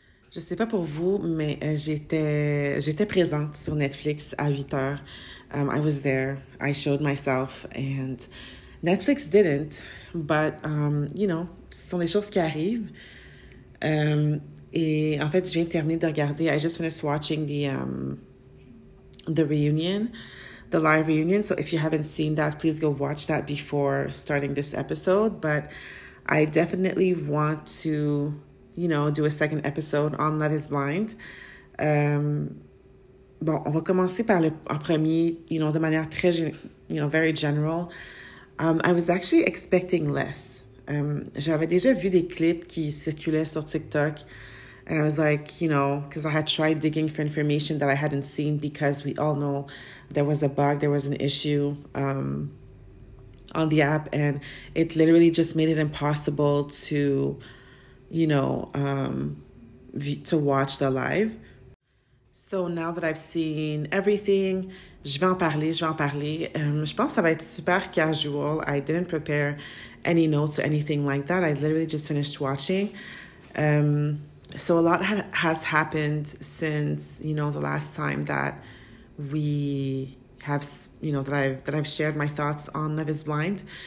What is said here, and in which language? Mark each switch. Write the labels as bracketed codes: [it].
[fr] Je sais pas pour vous, mais j'étais présente sur Netflix à 8 heures. [en] I was there. I showed myself. And Netflix didn't. [fr] But, ce sont des choses qui arrivent. Et en fait, je viens de terminer de regarder. [en] I just finished watching the reunion, the live reunion. So if you haven't seen that, please go watch that before starting this episode. But I definitely want to, do a second episode on Love is Blind. [fr] Bon, on va commencer par en premier, de manière très, [en] very general. I was actually expecting less. [fr] J'avais déjà vu des clips qui circulaient sur TikTok. [en] And I was like, because I had tried digging for information that I hadn't seen because we all know there was a bug, there was an issue on the app. And it literally just made it impossible to, to watch the live. So now that I've seen everything, [fr] je vais en parler, [en] je vais en parler. [fr] Je pense que ça va être super casual. [en] I didn't prepare any notes or anything like that. I literally just finished watching. So a lot has happened since, the last time that we have, that I've shared my thoughts on Love is Blind.